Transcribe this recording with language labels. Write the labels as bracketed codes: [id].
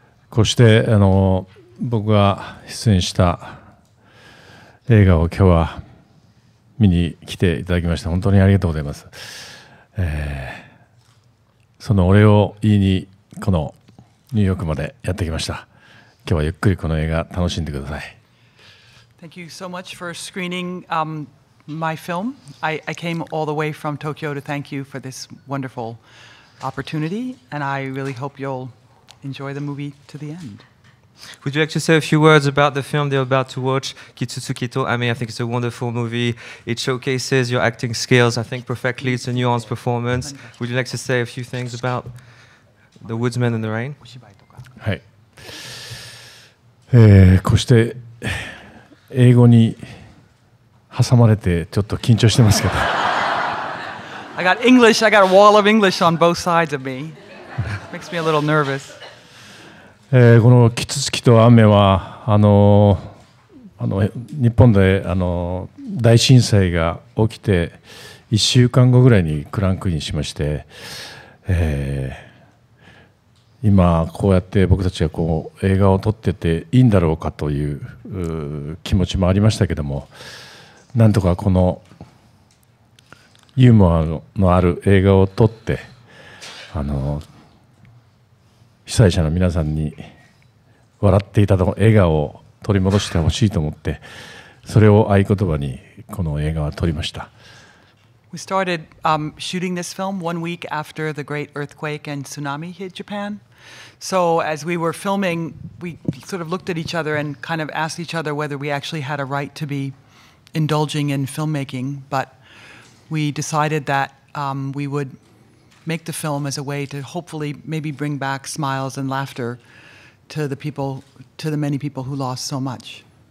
[ja] こうして僕が出演した映画を今日は見に来ていただきました。本当にありがとうございます。そのお礼を言いにこのニューヨークまでやってきました。今日はゆっくりこの映画楽しんでください。 [en] Thank you so much for screening my film. I came all the way from Tokyo to thank you for this wonderful opportunity, and I really hope you'll enjoy the movie to the end. Would you like to say a few words about the film they're about to watch, Kitsutsu Kito Ame? I think it's a wonderful movie. It showcases your acting skills, I think, perfectly. It's a nuanced performance. Would you like to say a few things about The Woodsman and the Rain? Yes. Hey. [ja] 英語に挟まれてちょっと緊張してますけど。 [en] I got English, I got a wall of English on both sides of me. Makes me a little nervous. [ja] このキツツキと雨は日本で大震災が起きて1週間後ぐらいにクランクインしまして、今こうやって僕たちがこう映画を撮ってていいんだろうかという気持ちもありましたけども、なんとかこのユーモアのある映画を撮って、被災者の皆さんに笑っていたと笑顔を取り戻してほしいと思って、それを合言葉にこの映画は撮りました。 [en] We started shooting this film 1 week after the great earthquake and tsunami hit Japan. So as we were filming, we sort of looked at each other and kind of asked each other whether we actually had a right to be indulging in filmmaking. But we decided that we would make the film as a way to hopefully maybe bring back smiles and laughter to the people, to the many people who lost so much.